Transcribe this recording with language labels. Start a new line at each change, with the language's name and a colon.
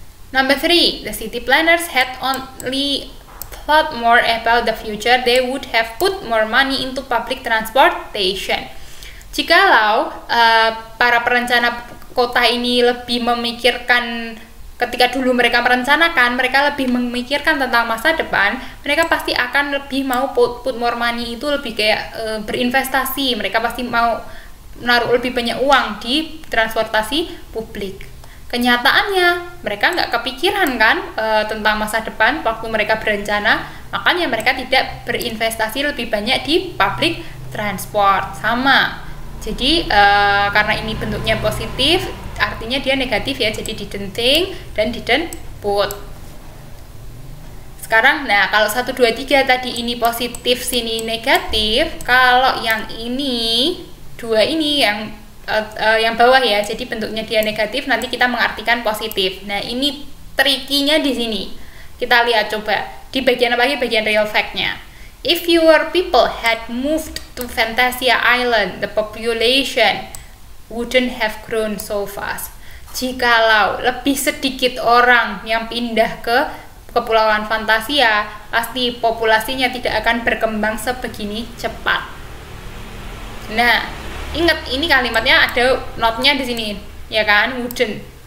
English: Number 3, the city planners had only thought more about the future, they would have put more money into public transportation.
Indonesian: Jikalau para perencana kota ini lebih memikirkan, ketika dulu mereka merencanakan, mereka lebih memikirkan tentang masa depan, mereka pasti akan lebih mau
English: put more money,
Indonesian: itu lebih kayak berinvestasi. Mereka pasti mau menaruh lebih banyak uang di transportasi publik. Kenyataannya, mereka nggak kepikiran kan tentang masa depan waktu mereka berencana, makanya mereka tidak berinvestasi lebih banyak di public transport. Sama. Jadi, karena ini bentuknya positif, artinya dia negatif ya, jadi
English: didn't think
Indonesian: dan
English: didn't put.
Indonesian: Sekarang, nah kalau 1, 2, 3 tadi ini positif, sini negatif. Kalau yang ini, 2 ini yang bawah ya, jadi bentuknya dia negatif, nanti kita mengartikan positif. Nah ini trikinya di sini. Kita lihat coba, di bagian apa lagi, bagian real fact-nya.
English: If your people had moved to Fantasia Island, the population wouldn't have grown so fast.
Indonesian: Jikalau lebih sedikit orang yang pindah ke Kepulauan Fantasia, pasti populasinya tidak akan berkembang sebegini cepat. Nah, ingat ini kalimatnya ada not-nya di sini, ya kan? Wouldn't.